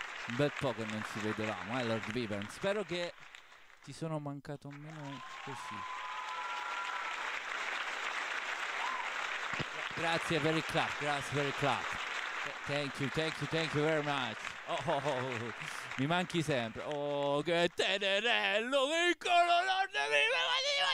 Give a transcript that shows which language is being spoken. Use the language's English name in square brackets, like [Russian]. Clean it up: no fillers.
[Italian] Un bel po' che non ci vedevamo, Lord Vivern. Spero che ti sono mancato meno così. Grazie per il clap, grazie per il clap. [English] Thank you, thank you, thank you very much. Oh, oh, oh. [Italian] Mi manchi sempre. Oh, che tenerello, che colore, Lord Vivern.